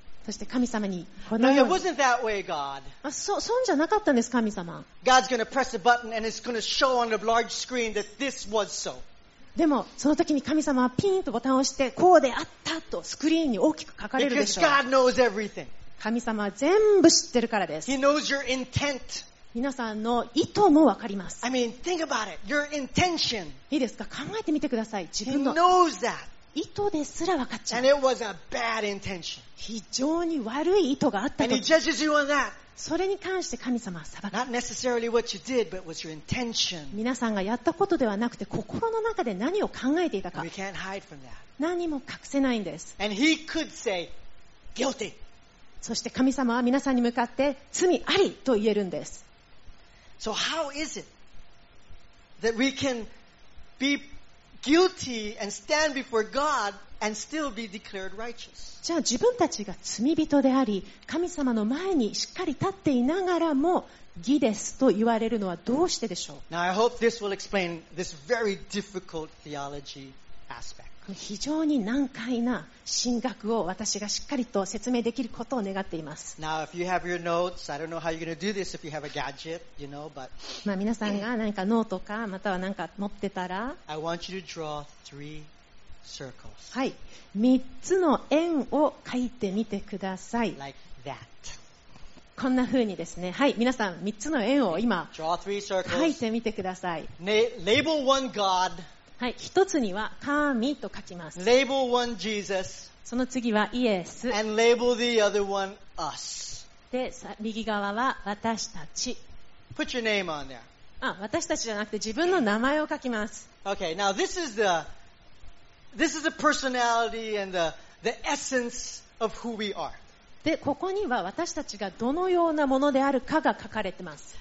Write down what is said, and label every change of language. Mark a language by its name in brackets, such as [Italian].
[Japanese] そして神様にこのように [English] no, it way, God. [Japanese] あ、そう、そんじゃなかったんです神様。 [English] God's gonna press a button and it's gonna show on the large screen that this was so. [Japanese] でもその時に神様はピンとボタンを押してこうであったとスクリーンに大きく書かれるでしょう。 [English] Because God knows everything. [Japanese] 神様は全部知ってるからです。 [English] He knows your intent. [Japanese] 皆さんの意図もわかります。 [English] I mean, think about it. Your intention. [Japanese] いいですか、考えてみてください自分の。 [English] He knows that. [Japanese] 意図ですら分かっちゃう。 [English] And it was a bad intention. [Japanese] 非常に悪い意図があったと。 [English] And he judges you on that. [Japanese] それに関して神様は裁く。 [English] Not necessarily what you did, but was your intention. [Japanese] 皆さんがやったことではなくて心の中で何を考えていたか。 [English] And we can't hide from that. [Japanese] 何も隠せないんです。 [English] And he could say, guilty. [Japanese] そして神様は皆さんに向かって罪ありと言えるんです。 [English] So how is it that we can beguilty and stand before God and still be declared righteous. [Japanese] じゃあ自分たちが罪人であり神様の前にしっかり立っていながらも義ですと言われるのはどうしてでしょう。 [English] Now I hope this will explain this very difficult theology aspect. [Japanese] 非常に難解な神学を私がしっかりと説明できることを願っています。 [English] Now if you have your notes, I don't know how you're going to do this if you have a gadget, you know, but [Japanese] まあ皆さんが何かノートかまたは何か持ってたら [English] I want you to draw three circles. [Japanese] はい、3つの円を書いてみてください。 [English] Like that. [Japanese] こんな風にですね、はい、皆さん3つの円を今書いてみてください。 [English] Label one God. [Japanese] はい、一つには神と書きます。 [English] Label one Jesus. [Japanese] その次はイエス。 [English] And label the other one us. [Japanese] で、右側は私たち。 [English] Put your name on there. [Japanese] あ、私たちじゃなくて自分の名前を書きます。 [English] Okay, now this is the personality and the the essence of who we are. [Japanese] で、ここには私たちがどのようなものであるかが書かれてます。